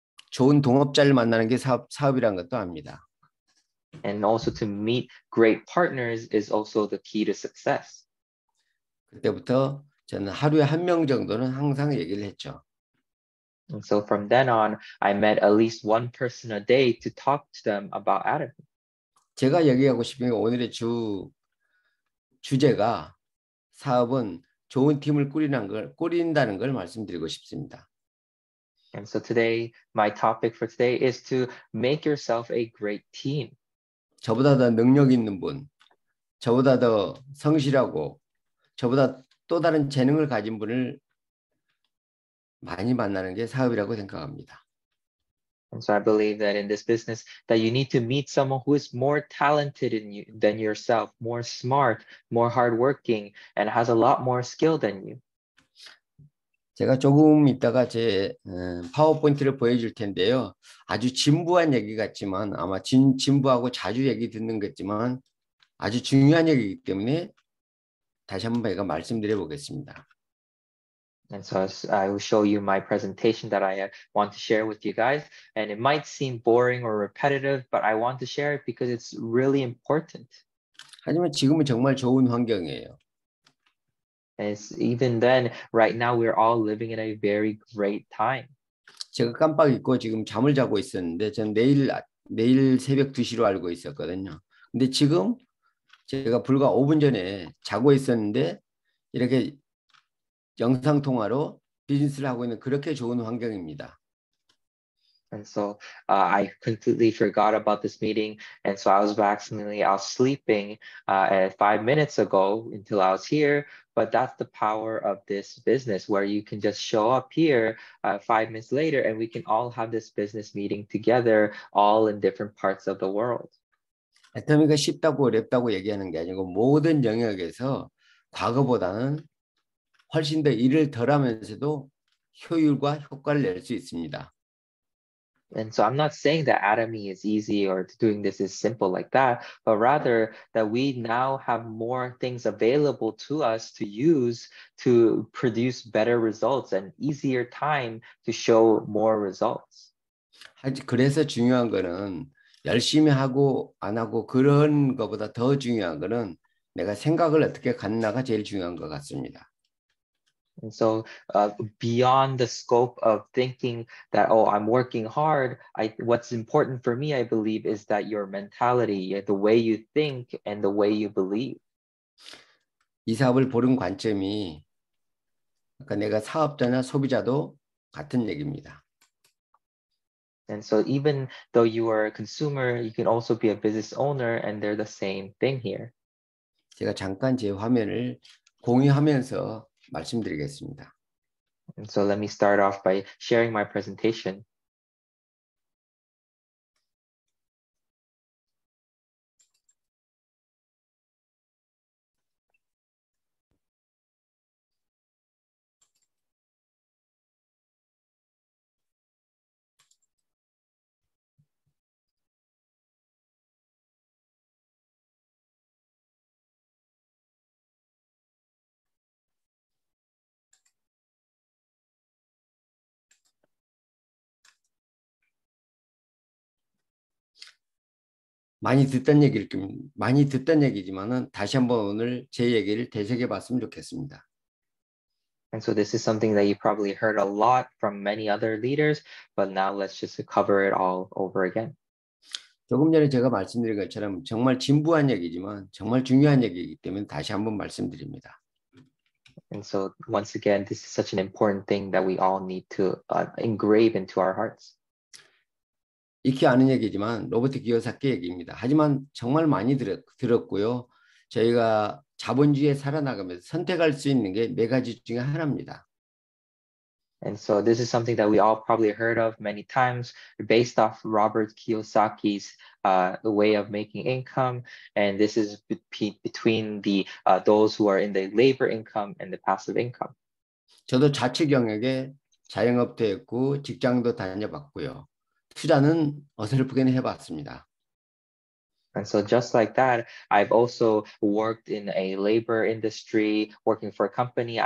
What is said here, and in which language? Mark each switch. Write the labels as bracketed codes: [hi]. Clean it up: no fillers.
[ko] 좋은 동업자를 만나는 게 사업이란 것도 압니다. [en] And also to meet great partners is also the key to success. [ko] 그때부터 저는 하루에 한 명 정도는 항상 얘기를 했죠. [en] And so from then on, I met at least one person a day to talk to them about Atomy. [ko] 제가 얘기하고 싶은 게 오늘의 주제가 사업은 좋은 팀을 꾸린다는 걸 말씀드리고 싶습니다. [en] And so today, my topic for today is to make yourself a great team. [ko] 저보다 더 능력 있는 분, 저보다 더 성실하고, 저보다 또 다른 재능을 가진 분을 많이 만나는 게 사업이라고 생각합니다. [en] And so I believe that in this business that you need to meet someone who is more talented in you than yourself, more smart, more hardworking, and has a lot more skill than you. [ko] 제가 조금 이따가 제 파워포인트를 보여줄 텐데요. 아주 진부한 얘기 같지만 아마 진부하고 자주 얘기 듣는 것지만 아주 중요한 얘기이기 때문에 다시 한번 제가 말씀드려 보겠습니다. [en] And so I will show you my presentation that I want to share with you guys. And it might seem boring or repetitive, but I want to share it because it's really important. [ko] 하지만 지금은 정말 좋은 환경이에요. [en] And it's, even then, right now, we're all living in a very great time. [ko] 제가 깜빡 잊고 지금 잠을 자고 있었는데 전 내일 새벽 2시로 알고 있었거든요. 근데 지금 제가 불과 5분 전에 자고 있었는데 이렇게 영상 통화로 비즈니스를 하고 있는 그렇게 좋은 환경입니다. [en] And so I completely forgot about this meeting, and so I was accidentally out sleeping at 5 minutes ago until I was here. But that's the power of this business, where you can just show up here 5 minutes later, and we can all have this business meeting together, all in different parts of the world. [ko] 애터미가 쉽다고 어렵다고 얘기하는 게 아니고 모든 영역에서 과거보다는 훨씬 더 일을 덜하면서도 효율과 효과를 낼 수 있습니다. [en] And so I'm not saying that Atomy is easy or doing this is simple like that, but rather that we now have more things available to us to use to produce better results and easier time to show more results. [ko] 그래서 중요한 거는 열심히 하고 안 하고 그런 것보다 더 중요한 거는 내가 생각을 어떻게 갖나가 제일 중요한 것 같습니다. [en] And so beyond the scope of thinking that, oh, I'm working hard, what's important for me, I believe, is that your mentality, the way you think and the way you believe. [ko] 이 사업을 보는 관점이 아까 내가 사업자나 소비자도 같은 얘기입니다. [en] And so even though you are a consumer, you can also be a business owner and they're the same thing here. [ko] 제가 잠깐 제 화면을 공유하면서 말씀드리겠습니다. [en] And so let me start off by sharing my presentation. [ko] 많이 듣던 얘기지만은 다시 한번 오늘 제 얘기를 되새겨 봤으면 좋겠습니다. [en] And so this is something that you probably heard a lot from many other leaders, but now let's just cover it all over again. [ko] 조금 전에 제가 말씀드린 것처럼 정말 진부한 얘기지만 정말 중요한 얘기이기 때문에 다시 한번 말씀드립니다. [en] And so once again, this is such an important thing that we all need to engrave into our hearts. [ko] 익히 아는 얘기지만 로보틱 기어 사기 얘기입니다. 하지만 정말 많이 들었고요. 저희가 자본주의에 살아나가면서 선택할 수 있는 게 네 가지 중에 하나입니다. [en] And so this is something that we all probably heard of many times based off Robert Kiyosaki's the way of making income. And this is between the those who are in the labor income and the passive income. [ko] 저도 자체 경영에 자영업도 했고 직장도 다녀봤고요. 투자는 어설프게는 해봤습니다. [en] And so just like that, I've also worked in a labor industry, working for a company.